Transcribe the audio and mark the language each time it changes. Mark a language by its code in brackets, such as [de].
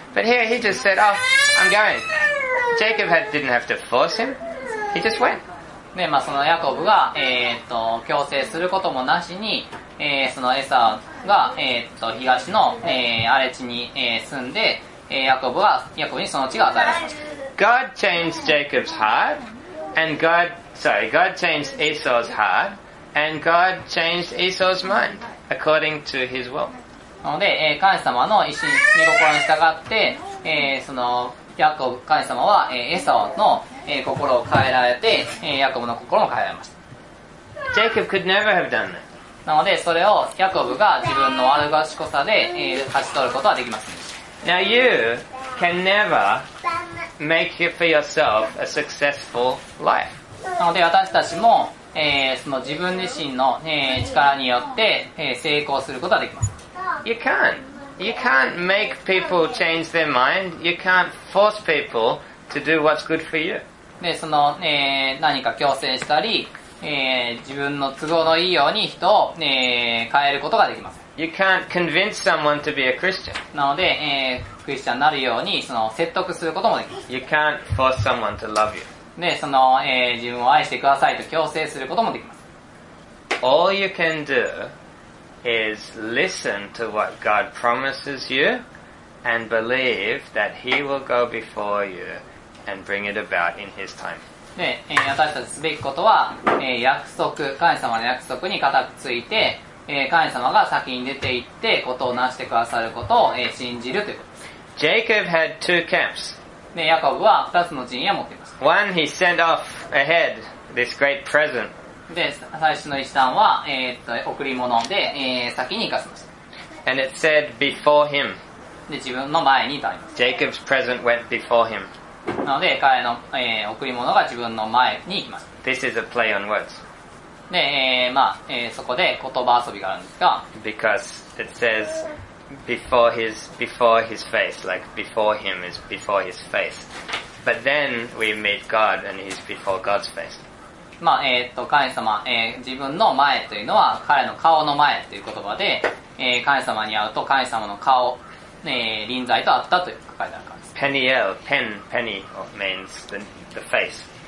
[en] But here he just said, oh, I'm going. Jacob didn't have to force him. He just went. [ja] で、まあ、そのヤコブが、強制することもなしに、そのエサが、東の、荒れ地に、住んで、ヤコブにその地が与えられました。 [en] God changed Jacob's heart, and God changed Esau's heart, and God changed Esau's mind, according to his will. [ja] なので、神様の意志に御心に従って、その、ヤコブ、神様は、エサの、心を変えられて、ヤコブの心も変えられました。 [en] Jacob could never have done that. [ja] なのでそれをヤコブが自分の悪賢さで勝ち取ることはできません。 [en] Now you can never make it for yourself a successful life. [ja] なので私たちも、その自分自身の、力によって、成功することはできません。 [en] You can't. You can't make people change their mind. You can't force people to do what's good for you. [ja] で、その、何か強制したり、自分の都合のいいように人を、変えることができません。 [en] You can't convince someone to be a Christian. [ja] なので、クリスチャンになるようにその説得することもできません。 [en] You can't force someone to love you. [ja] で、その、自分を愛してくださいと強制することもできません。 [en] All you can do is listen to what God promises you and believe that He will go before you and bring it about in His time. [ja] で、私たちすべきことは、約束、神様の約束に固くついて、神様が先に出て行ってことを成してくださることを、信じるということです。 [en] Jacob had two camps. [ja] で、ヤコブは二つの陣営を持っています。 [en] One, he sent off ahead this great present. [ja] で、最初の一段は、贈り物で、先に行かせました。 [en] And it said before him. [ja] で、自分の前にとあります。 [en] Jacob's present went before him. [ja] なので彼の、贈り物が自分の前に行きます。 [en] This is a play on words. [ja] で、まあ、そこで言葉遊びがあるんですが、 [en] Because it says before his face, like before him is before his face. But then we meet God and he's before God's face. [ja] まあ、神様、自分の前というのは彼の顔の前という言葉で、神様に会うと神様の顔、臨在と会ったと書いてあるから。 [en] Peniel, penny means the face.